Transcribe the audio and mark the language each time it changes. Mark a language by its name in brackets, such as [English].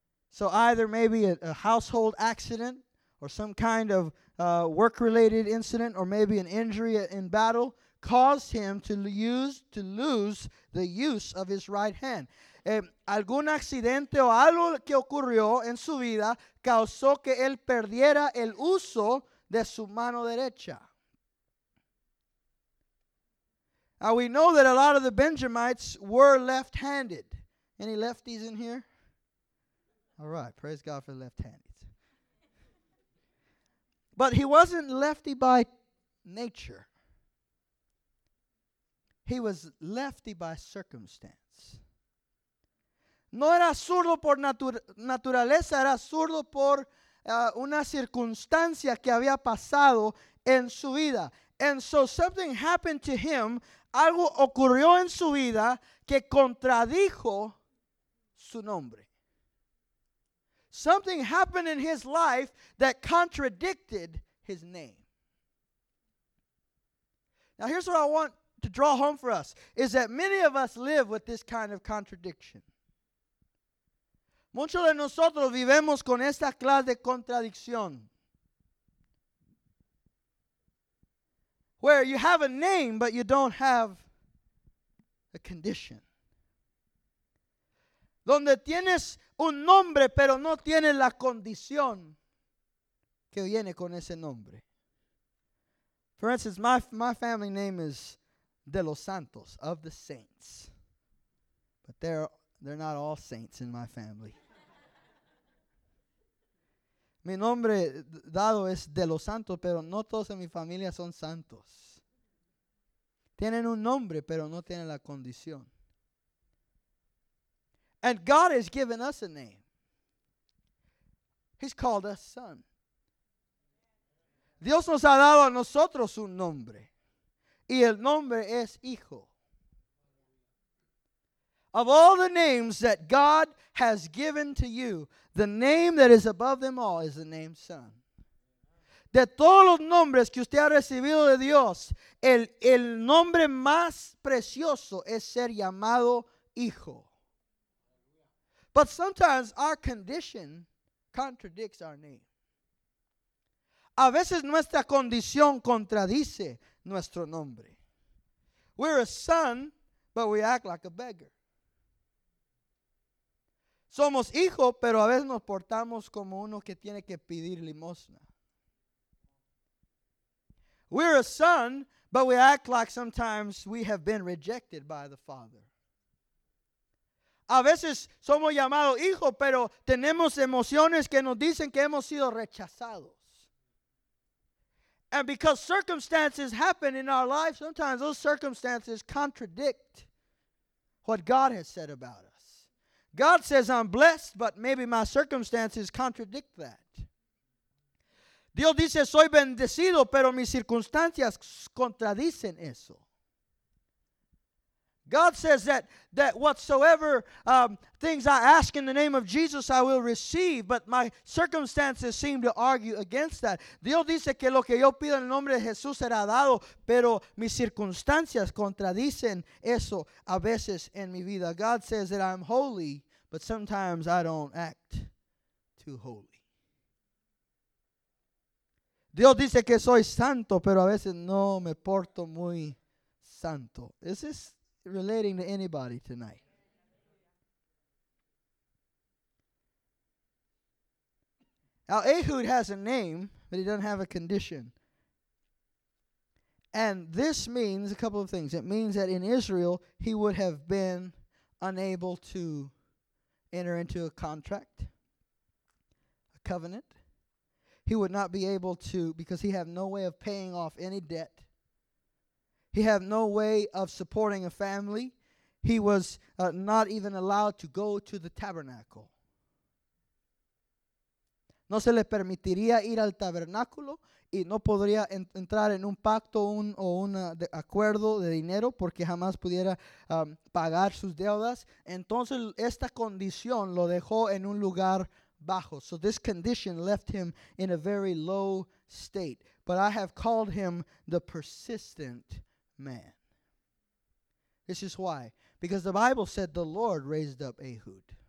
[English] So either maybe a household accident or some kind of work-related incident or maybe an injury in battle caused him to lose the use of his right hand. [Spanish] Algún accidente o algo que ocurrió en su vida causó que él perdiera el uso de su mano derecha. [English] Now we know that a lot of the Benjamites were left-handed. Any lefties in here? All right, praise God for the left-handed. But he wasn't lefty by nature. He was lefty by circumstance. [Spanish] No era zurdo por naturaleza, era zurdo por una circunstancia que había pasado en su vida. [English] And so something happened to him, [Spanish] algo ocurrió en su vida que contradijo su nombre. [English] Something happened in his life that contradicted his name. Now here's what I want to draw home for us, is that many of us live with this kind of contradiction. [Spanish] Muchos de nosotros vivimos con esta clase de contradicción. [English] Where you have a name, but you don't have a condition. [Spanish] Donde tienes un nombre, pero no tienes la condición que viene con ese nombre. [English] For instance, my family name is De Los Santos, of the Saints. But they're not all saints in my family. [Spanish] Mi nombre dado es De Los Santos, pero no todos en mi familia son santos. Tienen un nombre, pero no tienen la condición. [English] And God has given us a name. He's called us son. [Spanish] Dios nos ha dado a nosotros un nombre. Y el nombre es hijo. [English] Of all the names that God has given to you, the name that is above them all is the name son. [Spanish] De todos los nombres que usted ha recibido de Dios, el nombre más precioso es ser llamado hijo. [English] But sometimes our condition contradicts our name. [Spanish] A veces nuestra condición contradice nuestro nombre. [English] We're a son, but we act like a beggar. [Spanish] Somos hijo, pero a veces nos portamos como uno que tiene que pedir limosna. [English] We're a son, but we act like sometimes we have been rejected by the Father. [Spanish] A veces somos llamados hijo, pero tenemos emociones que nos dicen que hemos sido rechazados. [English] And because circumstances happen in our life, sometimes those circumstances contradict what God has said about us. God says I'm blessed, but maybe my circumstances contradict that. [Spanish] Dios dice soy bendecido, pero mis circunstancias contradicen eso. [English] God says that whatsoever things I ask in the name of Jesus, I will receive, but my circumstances seem to argue against that. [Spanish] Dios dice que lo que yo pido en el nombre de Jesús será dado, pero mis circunstancias contradicen eso a veces en mi vida. [English] God says that I'm holy, but sometimes I don't act too holy. [Spanish] Dios dice que soy santo, pero a veces no me porto muy santo. [English] Is this relating to anybody tonight? Now, Ehud has a name, but he doesn't have a condition. And this means a couple of things. It means that in Israel, he would have been unable to enter into a contract, a covenant. He would not be able to, because he had no way of paying off any debt. He had no way of supporting a family. He was not even allowed to go to the tabernacle. [Spanish] No se le permitiría ir al tabernáculo y no podría entrar en un pacto o un acuerdo de dinero porque jamás pudiera pagar sus deudas. Entonces esta condición lo dejó en un lugar bajo. [English] So this condition left him in a very low state. But I have called him the persistent man. This is why. Because the Bible said the Lord raised up Ehud.